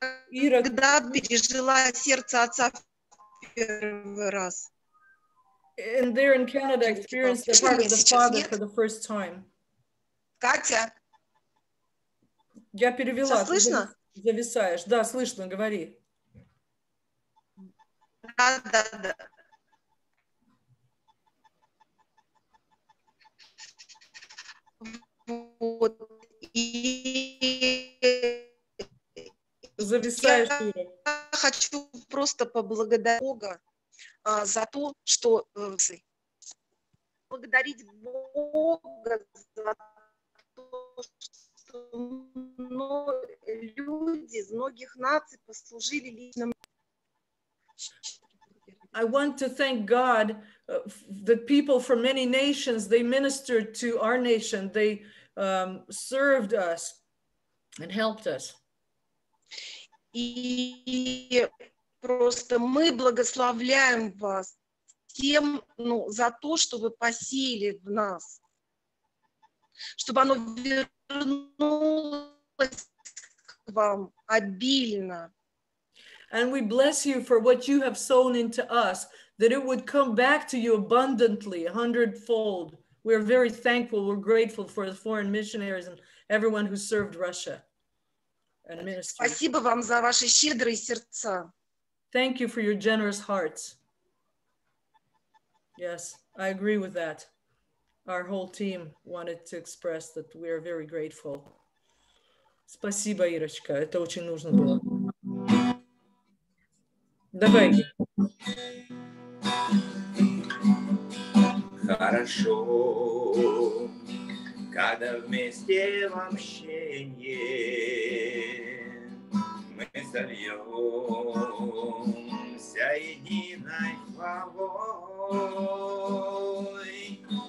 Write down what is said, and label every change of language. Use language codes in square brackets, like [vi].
[ru] Ира, когда пережила сердце отца в первый раз? [en] And there in Canada, I experienced the heart of the Father for the first time. [ru] Катя, я перевела. Все слышно? Зависаешь. Да, слышно, говори. Да, да, да. Вот. И зависаешь. Я хочу просто поблагодарить Бога за то, что благодарить Бога за то, что люди из многих наций послужили лично. [en] I want to thank God that people from many nations, they ministered to our nation, they served us and helped us. [ru] И просто мы благословляем вас тем, ну, за то, что вы посеяли в нас, чтобы оно вернулось к вам обильно. [en] And we bless you for what you have sown into us, that it would come back to you abundantly, a hundredfold. We are very thankful, we're grateful for the foreign missionaries and everyone who served Russia and ministered. [ru] Спасибо вам за ваши щедрые сердца. [en] Thank you for your generous hearts. Yes, I agree with that. Our whole team wanted to express that we are very grateful. [ru] Спасибо, Ирочка, это очень нужно было. Давай. Хорошо, когда вместе в общенье мы зальемся единой хвалой.